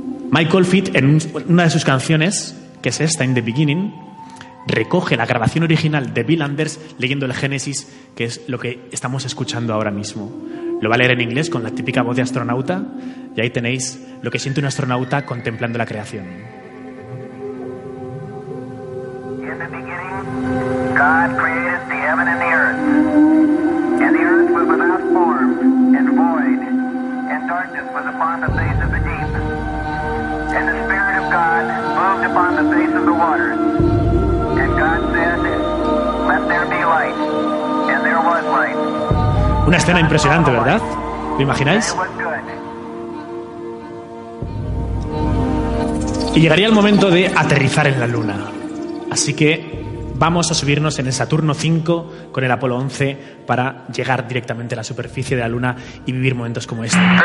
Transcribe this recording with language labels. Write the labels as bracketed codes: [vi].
[es] Michael Fitt, en una de sus canciones, que es esta, In the Beginning, recoge la grabación original de Bill Anders leyendo el Génesis, que es lo que estamos escuchando ahora mismo. Lo va a leer en inglés con la típica voz de astronauta, y ahí tenéis lo que siente un astronauta contemplando la creación. [en] In the beginning, God created the heaven and the earth. And the earth was without form and void, and darkness was upon the face of the deep. And the Spirit of God moved upon the face of the waters. And God said, let there be light. And there was light. [es] Una escena impresionante, ¿verdad? ¿Lo imagináis? Y llegaría el momento de aterrizar en la Luna. Así que vamos a subirnos en el Saturno 5 con el Apolo 11 para llegar directamente a la superficie de la Luna y vivir momentos como este.